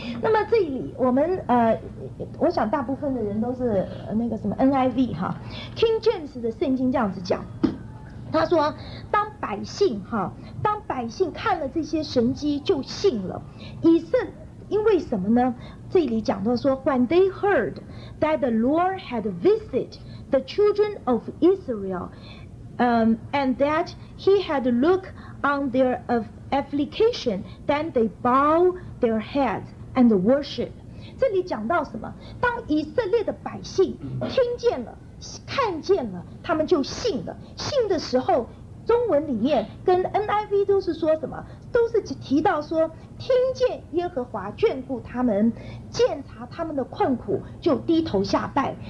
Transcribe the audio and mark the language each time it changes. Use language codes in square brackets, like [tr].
[zh] 那么这里我们我想大部分的人都是那个什么 NIV 哈 ，King James 的圣经这样子讲，他说当百姓看了这些神迹就信了，因为什么呢？这里讲到说 [en] ，When they heard that the Lord had visited the children of Israel, and that he had looked on their affliction, then they bow their heads and worship. [zh] 这里讲到什么？当以色列的百姓听见了、看见了，他们就信了。信的时候，中文里面跟 NIV 都是说什么？都是提到说，听见耶和华眷顾他们，鉴察他们的困苦，就低头下拜。